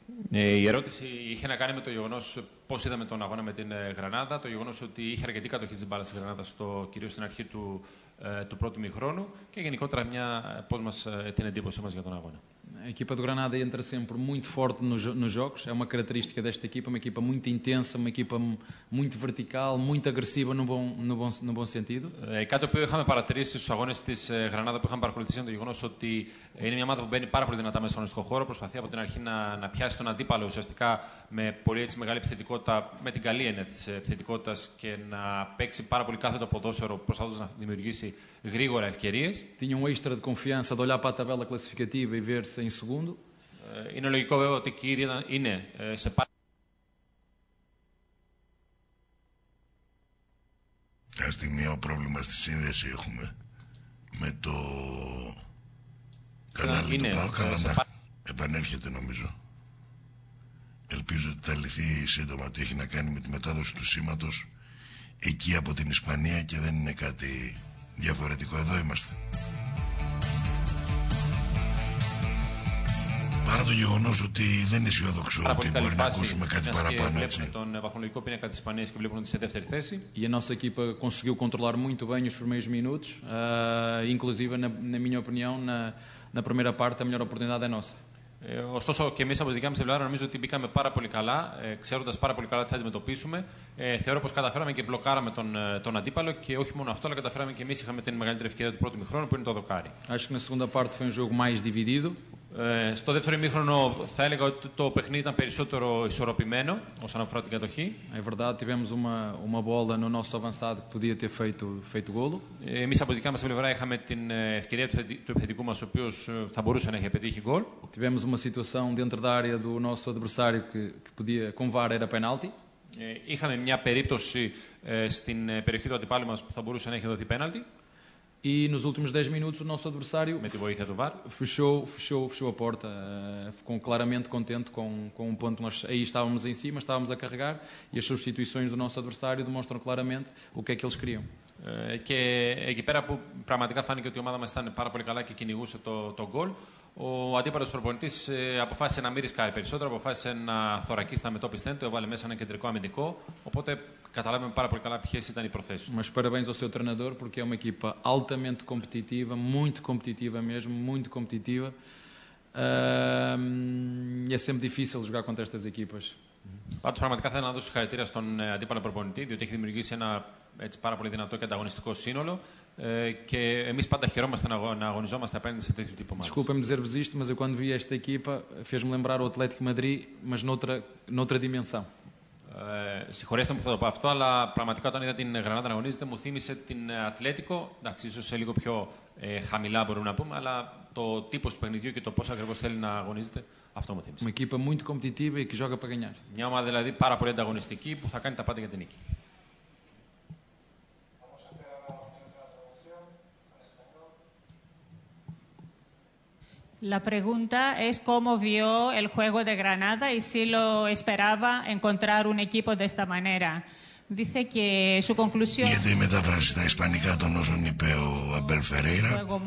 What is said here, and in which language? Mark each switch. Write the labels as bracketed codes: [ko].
[el] Η ερώτηση είχε να κάνει με το γεγονός πώς είδαμε τον αγώνα με την Γρανάδα, το γεγονός ότι είχε αρκετή κατοχή της μπάλας η Γρανάδα, κυρίως στην αρχή του πρώτου μηχρόνου, και γενικότερα πώς μας την εντύπωσή μας για τον αγώνα. [pt] A equipa do Granada entra sempre muito forte nos jogos, é uma característica desta equipa, uma equipa muito intensa, uma equipa muito vertical, muito agressiva no bom sentido. [el] Κάτι που είχαμε παρατηρήσει στους αγώνες της Granada που είχαμε παρακολουθήσει είναι το γεγονός ότι είναι μια ομάδα που μπαίνει πάρα πολύ δυνατά μέσα στον αγωνιστικό χώρο, προσπαθεί από την αρχή να πιάσει τον αντίπαλο ουσιαστικά με πολύ έτσι μεγάλη επιθετικότητα, με την καλή έννοια της επιθετικότητας, και να παίξει πάρα πολύ κάθετο ποδόσφαιρο προσπαθώντας να δημιουργήσει γρήγορα ευκαιρίες. [pt] Tinha um extra de confiança de olhar para a tabela classificativa e ver se em segundo. [el] Είναι λογικό βέβαια ότι εκεί είναι σε πάρα. Κάθε στιγμή ο πρόβλημα στη σύνδεση έχουμε με το κανάλι του ΠΑΟΚ, αλλά επανέρχεται νομίζω. Ελπίζω ότι θα λυθεί σύντομα, ότι έχει να κάνει με τη μετάδοση του σήματος εκεί από την Ισπανία και δεν είναι κάτι διαφορετικό. Εδώ είμαστε. Παρά το γεγονός ότι δεν είναι αισιόδοξο ότι μπορεί να ακούσουμε κάτι παραπάνω, έτσι. Βλέπουμε τον βαθμολογικό πίνακα της Ισπανίας και βλέπουμε ότι σε δεύτερη θέση. [pt] Η nossa equipa conseguiu controlar muito bem os primeiros minutos, inclusive na minha opinião, na primeira parte a melhor oportunidade é nossa. [el] Ωστόσο, και εμείς από τη δικιά μας πλευρά νομίζω ότι μπήκαμε πάρα πολύ καλά, ξέροντας πάρα πολύ καλά τι θα αντιμετωπίσουμε. Θεωρώ πως καταφέραμε και μπλοκάραμε τον αντίπαλο, και όχι μόνο αυτό, αλλά καταφέραμε και εμείς είχαμε την μεγαλύτερη ευκαιρία του πρώτου μηχρόνου, που είναι το δοκάρι. [pt] Acho que na segunda parte foi um jogo mais dividido. [el] Στο δεύτερο ημίχρονο θα έλεγα ότι το παιχνίδι ήταν περισσότερο ισορροπημένο όσον αφορά την κατοχή. [pt] É verdade, tivemos uma bola no nosso avançado que podia ter feito golo. [el] Εμείς από δικά μας πλευρά είχαμε την ευκαιρία του επιθετικού μας, ο οποίος θα μπορούσε να έχει πετύχει γκολ. [pt] Tivemos uma situação dentro da área do nosso adversário que podia, com VAR, era penalti. [el] Είχαμε μια περίπτωση στην περιοχή του αντιπάλου μας που θα μπορούσε να έχει δοθεί πέναλτι. [pt] E nos últimos 10 minutos o nosso adversário fechou a porta, ficou claramente contente com o ponto. Nós aí estávamos em cima, estávamos a carregar, e as substituições do nosso adversário demonstram claramente o que é que eles queriam. [el] Και εκεί πέρα που πραγματικά φάνηκε ότι η ομάδα μας ήταν πάρα πολύ καλά και κυνηγούσε το γκολ, ο αντίπαλος προπονητής αποφάσισε να μην ρισκάρει περισσότερο, αποφάσισε να θωρακίσει τα μετώπιστέ του, έβαλε μέσα ένα κεντρικό αμυντικό. Οπότε καταλάβαμε πάρα πολύ καλά ποιες ήταν οι προθέσεις. [pt] Mas parabéns ao seu treinador, porque é uma equipa altamente competitiva, muito competitiva mesmo, muito competitiva. É sempre difícil jogar contra estas equipas. [el] Πάντως πραγματικά θέλω να δώσω συγχαρητήρια στον αντίπαλο προπονητή, διότι έχει δημιουργήσει ένα έτσι πάρα πολύ δυνατό και ανταγωνιστικό σύνολο, και εμείς πάντα χαιρόμαστε να αγωνιζόμαστε απέναντι σε τέτοιο τύπο μάτς. [pt] Desculpa-me dizer-vos isto, mas eu quando vi esta equipa fez-me lembrar o Atlético Madrid, mas noutra dimensão. [el] Συγχωρέστε μου που θα το πω αυτό, αλλά πραγματικά όταν είδα την Γρανάδα να αγωνίζεται μου θύμισε την Ατλέτικο, εντάξει, ίσως σε λίγο πιο χαμηλά μπορούμε να πούμε, αλλά το τύπος του παιχνιδιού και το πώς ακριβώς θέλει να αγωνίζεται, αυτό μου θύμισε. [pt] Uma equipa muito competitiva e que joga para ganhar. [el] Μια ομάδα δηλαδή πάρα πολύ ανταγωνιστική που θα κάνει τα πάντα για την νίκη. [es] La pregunta es cómo vio el juego de Granada y si lo esperaba encontrar un equipo de esta manera. Dice que su conclusión. [el] Γιατί η μετάφραση στα ισπανικά των όσων είπε ο Αμπέλ Φερέιρα.